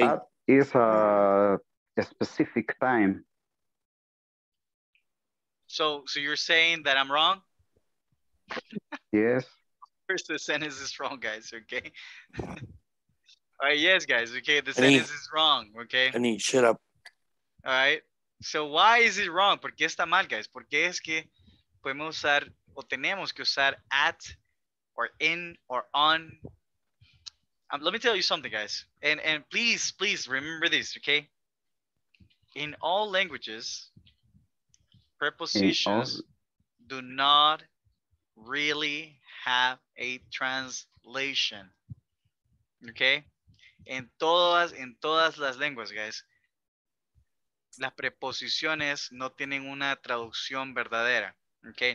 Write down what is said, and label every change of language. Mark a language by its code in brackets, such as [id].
[en] That is a specific time. So you're saying that I'm wrong? Yes. First, the sentence is wrong, guys, okay? All right, yes, guys, okay, the sentence is wrong, okay? Honey, shut up. All right. So why is it wrong? ¿Por qué está mal, guys? [es] ¿Por qué es que podemos usar o tenemos que usar at or in or on? [en] Let me tell you something, guys. And please remember this, okay? In all languages, prepositions do not really have a translation, okay? [es] En todas las lenguas, guys. Las preposiciones no tienen una traducción verdadera, okay?